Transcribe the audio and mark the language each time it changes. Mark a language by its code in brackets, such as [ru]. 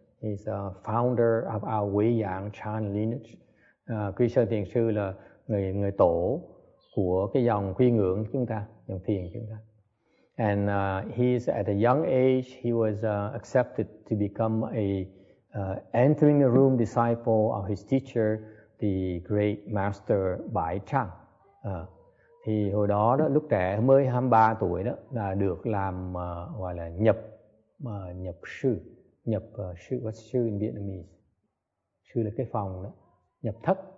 [en] He's a founder of our Wei Yang Chan lineage. [vi] Quy Sơn Thiền Sư là người tổ của cái dòng quy ngưỡng chúng ta, dòng thiền chúng ta. [en] And he's at a young age, he was accepted to become a entering the room disciple of his teacher, the great master Bai Chang. [vi] Thì hồi đó đó, lúc trẻ mới 23 tuổi đó, là được làm gọi là nhập sư, [en] what's sư in Vietnamese? [vi] Sư là cái phòng đó, nhập thất.